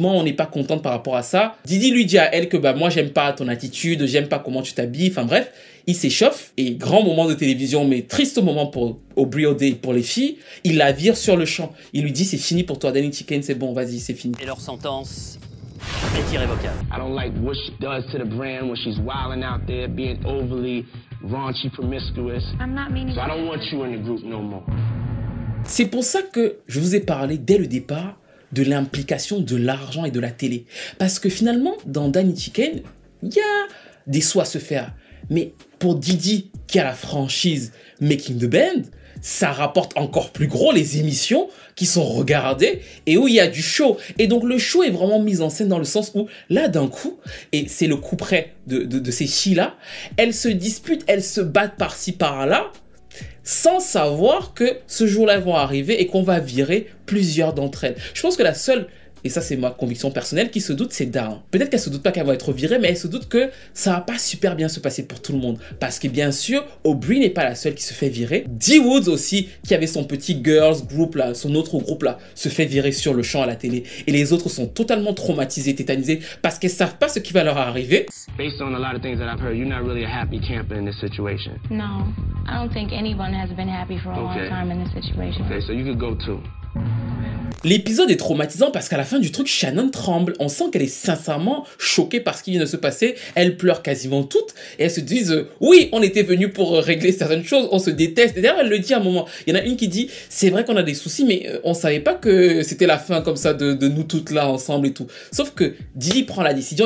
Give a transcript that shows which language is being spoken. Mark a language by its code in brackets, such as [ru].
[fr] On n'est pas contente par rapport à ça. Didi lui dit à elle que bah, moi, j'aime pas ton attitude, j'aime pas comment tu t'habilles. Enfin bref, il s'échauffe et grand moment de télévision, mais triste moment pour Aubrey O'Day, pour les filles. Il la vire sur le champ. Il lui dit, c'est fini pour toi, Danny Ticket, c'est bon, vas-y, c'est fini. Et leur sentence est irrévocable. [en] I don't like what she does to the brand when she's wilding out there, being overly raunchy, promiscuous. I'm not meaning so I don't want you in the group no more. [fr] C'est pour ça que je vous ai parlé dès le départ de l'implication de l'argent et de la télé. Parce que finalement, dans Danny Chicken, il y a des soins à se faire. Mais pour Didi, qui a la franchise Making the Band, ça rapporte encore plus gros les émissions qui sont regardées et où il y a du show. Et donc le show est vraiment mis en scène dans le sens où là d'un coup, et c'est le coup près de ces filles-là, elles se disputent, elles se battent par-ci par-là, sans savoir que ce jour-là va arriver et qu'on va virer plusieurs d'entre elles. Je pense que la seule, et ça c'est ma conviction personnelle, qui se doute, c'est Dawn. Peut-être qu'elle se doute pas qu'elle va être virée, mais elle se doute que ça va pas super bien se passer pour tout le monde. Parce que bien sûr, Aubrey n'est pas la seule qui se fait virer. D-Woods aussi, qui avait son petit girls group là, son autre groupe là, se fait virer sur le champ à la télé. Et les autres sont totalement traumatisés, tétanisés, parce qu'elles savent pas ce qui va leur arriver. [en] Based on a lot of things that I've heard, you're not really a happy camper in this situation. No, I don't think anyone has been happy for a long time in this situation. Okay, so you could go too. [fr] L'épisode est traumatisant parce qu'à la fin du truc, Shannon tremble. On sent qu'elle est sincèrement choquée par ce qui vient de se passer. Elle pleure quasiment toutes et elles se disent « Oui, on était venu pour régler certaines choses, on se déteste. » Et d'ailleurs, elle le dit à un moment. Il y en a une qui dit « C'est vrai qu'on a des soucis, mais on ne savait pas que c'était la fin comme ça de nous toutes là ensemble et tout. » Sauf que Dee prend la décision.